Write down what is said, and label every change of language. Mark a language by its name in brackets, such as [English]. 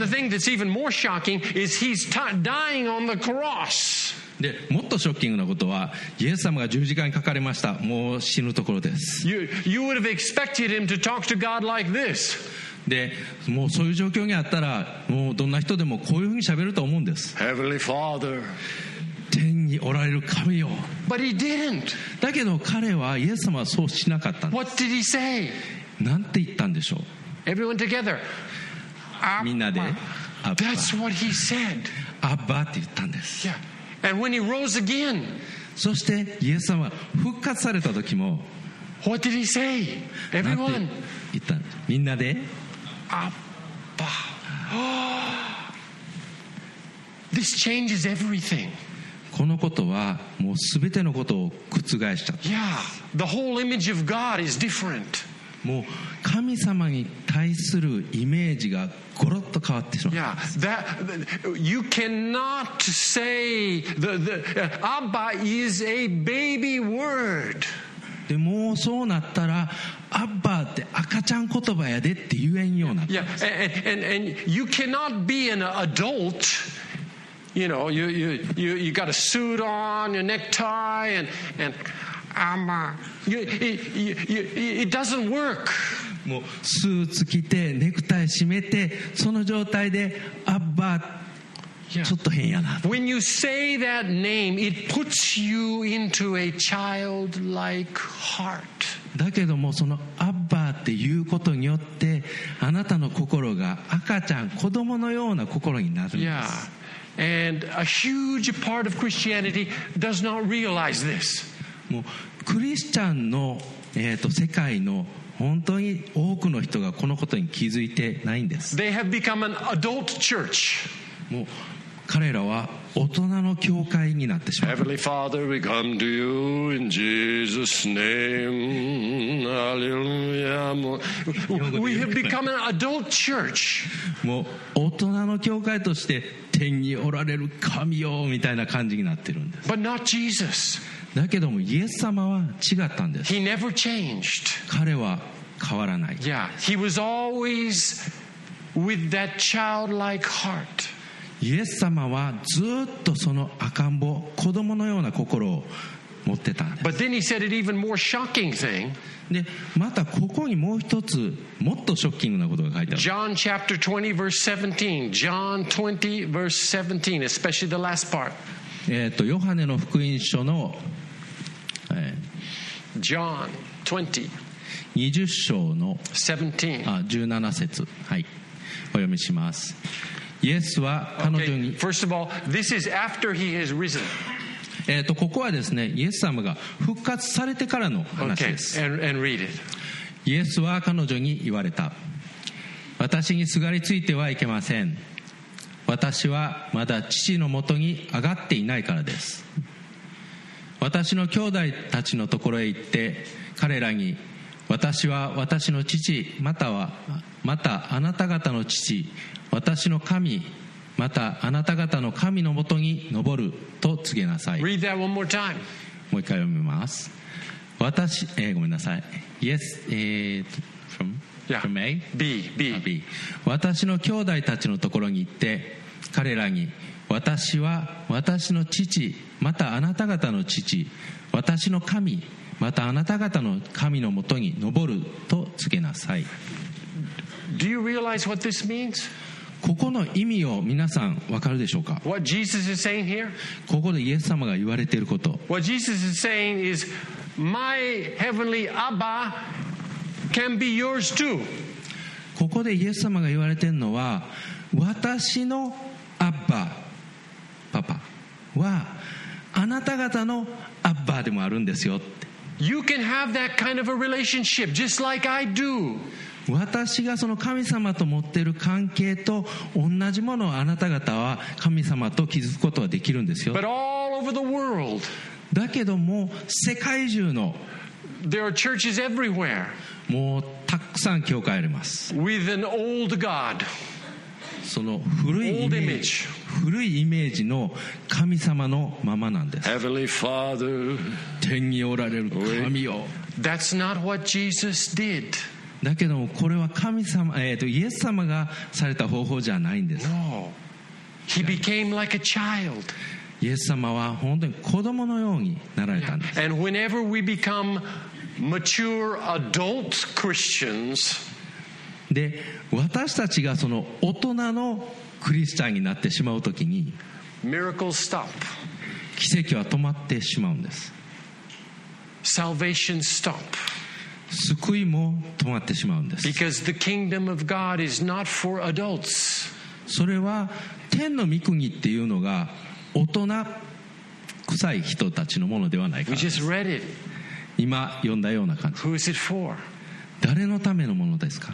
[English] And the thing that's even more shocking is he's dying on the cross. [Japanese] でもっとショッキングなことはイエス様が十字架にかかりました。もう死ぬところです。 [English] you would have expected him to talk to God like this. [Japanese] でもうそういう状況にあったらもうどんな人でもこういうふうに喋ると思うんです。 [English] Heavenly Father. [Japanese] 天におられる神よ。 [English] But he didn't. [Japanese] だけど彼はイエス様はそうしなかったんです。 [English] What did he say? [Japanese] なんて言ったんでしょう。 [English] Everyone together. [Japanese] みんなで、 [English] アッパ。That's what he said. [Japanese] アッパって言ったんです。 [English] Yeah. And when he rose again. [Japanese] そしてイエス様は復活された時も、 [English] What did he say? Everyone. [Japanese] みんなで、アッパ。 [English] This changes everything. [Japanese] このことはもうすべてのことを覆しちゃった。 [English] Yeah, the whole image of God is different. [Japanese] もう神様に対するイメージがゴロッと変わってしまう。 [English] Yeah, that you cannot say the Abba is a baby word. [Japanese] でもうそうなったらアッバーって赤ちゃん言葉やでって言えんようになった。 [English] Yeah, and you cannot be an adult. You know, you got a suit on, your necktie, and Abba. It doesn't work. [Japanese] もうスーツ着てネクタイ締めてその状態で Abba、yeah. ちょっと変やな。 [English] When you say that name, it puts you into a childlike heart. [Japanese] だけどもその Abba っていうことによってあなたの心が赤ちゃん子供のような心になるんです。 [English] Yeah. And a huge part of Christianity does not realize this. [Japanese] もうクリスチャンの世界の本当に多くの人がこのことに気づいてないんです。 [English] They have become an adult church. [Japanese] もう彼らは大人の教会になってしまう。 [English] Heavenly Father, we come to you in Jesus' name. Hallelujah. We have become an adult church. [Japanese] もう大人の教会として天におられる神よみたいな感じになってるんです。 [English] But not Jesus. [Japanese] だけどもイエス様は違ったんです。 [English] He never changed. [Japanese] 彼は変わらない。 [English] Yeah, he was always with that childlike heart. [Japanese] イエス様はずっとその赤ん坊子供のような心を持ってたんです。 [English] But then he said an even more shocking thing. [Japanese] でまたここにもう一つもっとショッキングなことが書いてある。 [English] John chapter 20 verse 17. John 20 verse 17, especially the last part. [Japanese] ヨハネの福音書の、 [English] John [Japanese] 20章の17節、はい、お読みします。イエスは彼女に、 [English] okay. First of all, this is after he has risen. [Japanese] ここはですね、イエス様が復活されてからの話です。 [English] Okay. And read it. [Japanese] イエスは彼女に言われた。私にすがりついてはいけません。私はまだ父のもとに上がっていないからです。私の兄弟たちのところへ行って、彼らに、私は私の父、またあなた方の父、私の神、またあなた方の神のもとに昇ると告げなさい。 [English] Read that one more time. [Japanese] もう一回読みます。私、ごめんなさい。 [English] Yes, from A、 yeah. B. [Japanese] 私の兄弟たちのところに行って彼らに、私は私の父、またあなた方の父、私の神、またあなた方の神のもとに昇ると告げなさい。 [English] Do you realize what this means? [Japanese] ここの意味を皆さん分かるでしょうか。 [English] What Jesus is saying here? [Japanese] ここでイエス様が言われていること、 [English] What Jesus is saying is, My heavenly Abba can be yours too. [Japanese] ここでイエス様が言われているのは、私のアッバパパはあなた方のアッバでもあるんですよって。 [English] You can have that kind of a relationship just like I do. [Japanese] 私がその神様と持っている関係と同じものをあなた方は神様と築くことはできるんですよ。 [English] But all over the world, [Japanese] だけども世界中の [English] there are churches everywhere, [Japanese] もうたくさん教会あります。 [English] with an old God, [Japanese] その古いイメージ [English] old image. [Japanese] 古いイメージの神様のままなんです。 [English] Heavenly Father, [Japanese] 天におられる神よ。 [English] That's not what Jesus did. [Japanese] だけどもこれは神様、イエス様がされた方法じゃないんです。 [English] No. He became like a child. [Japanese] イエス様は本当に子供のようになられたんです。 [English] Yeah. And whenever we become mature adult Christians, [Japanese] で私たちがその大人のクリスチャンになってしまうときに [English] Miracles stop. [Japanese] 奇跡は止まってしまうんです。 [English] Salvation stop. [Japanese] 救いも止まってしまうんです。 [English] Because the kingdom of God is not for adults. [Japanese] それは天の御国っていうのが大人臭い人たちのものではないからです。 [English] We just read it. [Japanese] 今読んだような感じ。 [English] Who is it for? [Japanese] 誰のためのものですか？